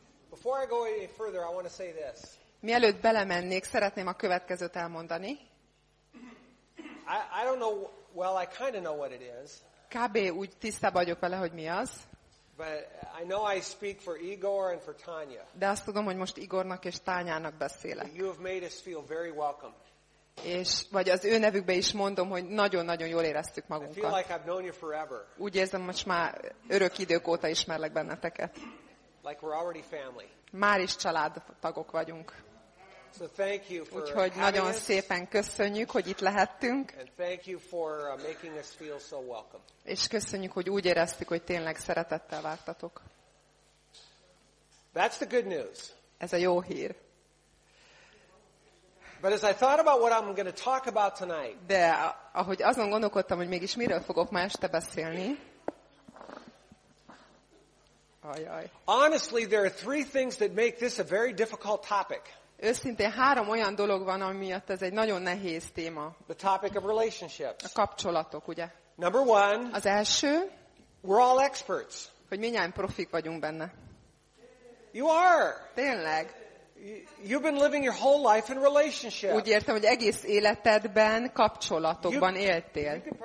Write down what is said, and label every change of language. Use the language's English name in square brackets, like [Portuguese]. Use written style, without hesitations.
[English] Before I go any further, I want to say this. [Hungarian] Mielőtt belemennék, szeretném a következőt elmondani. [English] I don't know. Well, I kind of know what it is. [Hungarian] Kb. Úgy tisztában vagyok vele, hogy mi az. [English] But I know I speak for Igor and for Tanya. [Hungarian] De azt tudom, hogy most Igornak és Tanyának beszélek. [English] You have made us feel very welcome. [Hungarian] És vagy az ő nevükbe is mondom, hogy nagyon-nagyon jól éreztük magunkat. [English] I feel like I've known you forever. [Hungarian] Úgy érzem, most már örök idők óta ismerlek benneteket. [English] Like we're already family. [Hungarian] Már is családtagok vagyunk. [English] So thank you for [Hungarian] úgyhogy nagyon szépen köszönjük, hogy itt lehettünk. [English] And thank you for making us feel so welcome. [Hungarian] És köszönjük, hogy úgy éreztük, hogy tényleg szeretettel vártatok. [English] That's the good news. [Hungarian] Ez a jó hír. [English] But as I thought about what I'm going to talk about tonight. [Hungarian] De ahogy azon gondolkodtam, hogy mégis miről fogok ma este beszélni. Ajaj. [English] Honestly, there are three things that make this a very difficult topic. [Hungarian] Őszintén három olyan dolog van, ami miatt ez egy nagyon nehéz téma. [English] The topic of relationships. [Hungarian] A kapcsolatok, ugye? [English] Number one. [Hungarian] Az első. [English] We're all experts. [Hungarian] Hogy mindjárt profik vagyunk benne. [English] You are. [Hungarian] Tényleg. [English] You've been living your whole life in relationship. [Hungarian] Úgy értem, hogy egész életedben kapcsolatokban éltél.